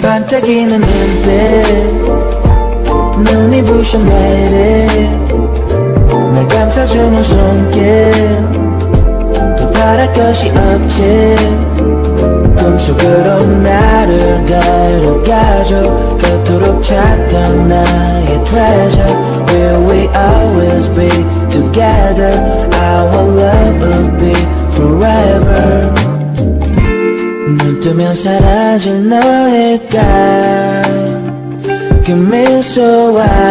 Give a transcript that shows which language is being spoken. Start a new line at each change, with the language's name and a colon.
Korean: 반짝이는 눈빛 눈이 부셔 매일 날 감싸주는 손길 더 바랄 것이 없지. 꿈속으로 나를 데려가줘. 그토록 찾던 나의 treasure.
English: Will we always be together. Our love will be forever.
Korean: 눈 뜨면 사라질 너일까 그 미소와